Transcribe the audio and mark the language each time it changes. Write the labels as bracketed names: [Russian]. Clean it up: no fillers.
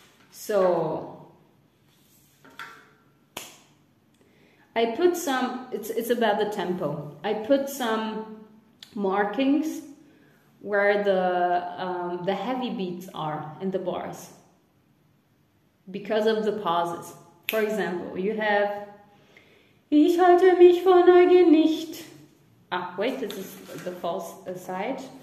[English] So I put some, it's about the tempo. I put some markings where the heavy beats are in the bars because of the pauses. For example, you have, [German] ich halte mich vor Neugier nicht. [English] Ah, wait, this is the false side.